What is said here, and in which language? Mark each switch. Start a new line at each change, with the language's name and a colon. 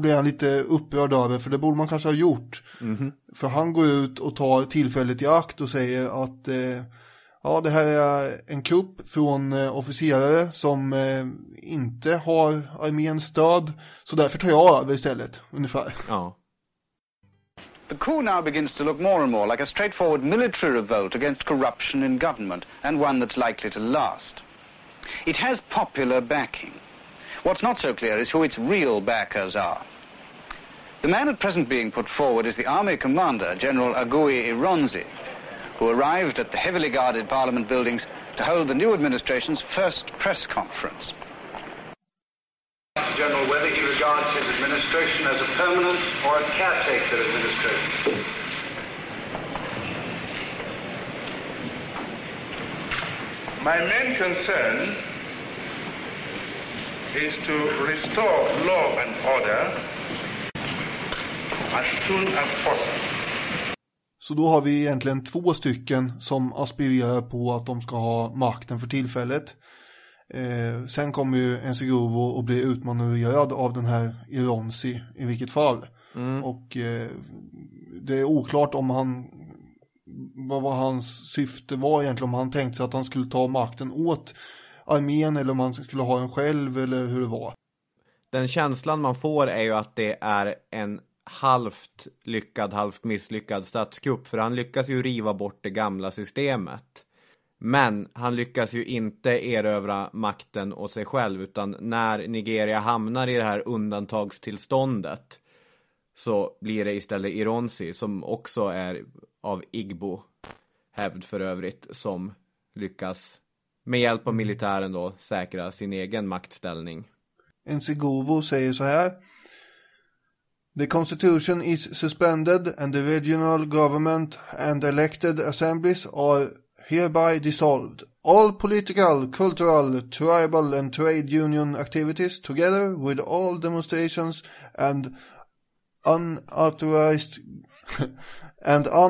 Swedish: blev han lite upprörd över, för det borde man kanske ha gjort. Mm-hmm. För han går ut och tar tillfället i akt och säger att ja, det här är en kupp från officerare som inte har arméns stöd, så därför tar jag över istället, ungefär. Ja.
English: The coup now begins to look more and more like a straightforward military revolt against corruption in government, and one that's likely to last. It has popular backing. What's not so clear is who its real backers are. The man at present being put forward is the army commander, General Agui Ironsi, who arrived at the heavily guarded parliament buildings to hold the new administration's first press conference. General, whether he regards his administration as a permanent or a caretaker administration. My main concern is to restore law and order as soon as possible.
Swedish: Så då har vi egentligen två stycken som aspirerar på att de ska ha makten för tillfället. Sen kommer ju Ensegovo att bli utmanövrerad av den här Ironsi i vilket fall. Mm. Och det är oklart om han, vad var hans syfte var egentligen, om han tänkte sig att han skulle ta makten åt armén eller om han skulle ha den själv eller hur det var. Den känslan man får är ju att det är en halvt lyckad, halvt misslyckad statskupp, för han lyckas ju riva bort det gamla systemet. Men han lyckas ju inte erövra makten åt sig själv, utan när Nigeria hamnar i det här undantagstillståndet så blir det istället Ironsi, som också är av Igbo hävd för övrigt, som lyckas med hjälp av militären då säkra sin egen maktställning. Ensegovo säger så här:
English: "The constitution is suspended and the regional government and elected assemblies are hereby dissolved. All political, cultural, tribal and trade union activities together with all demonstrations and unauthorized and